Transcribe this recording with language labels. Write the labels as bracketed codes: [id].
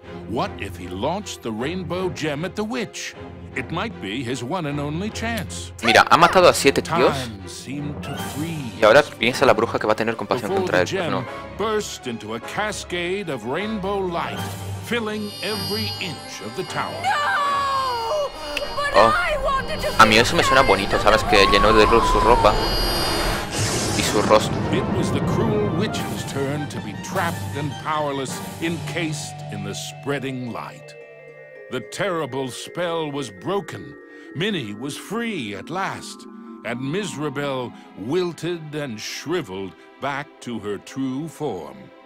[en] What if he launched the rainbow gem at the witch? It might be his one and only chance. [es] Mira, ha matado a 7 tíos. Y ahora piensa la bruja que va a tener compasión contra él, ¿no? [en] Burst into a cascade of rainbow light, filling every inch of the tower. [es] Oh. A mí eso me suena bonito, ¿sabes? Que llenó de luz su ropa y su rostro. [en] It was the cruel witch's turn to be trapped and powerless, encased in the spreading light. The terrible spell was broken. Minnie was free at last, and Mizrabel wilted and shriveled back to her true form.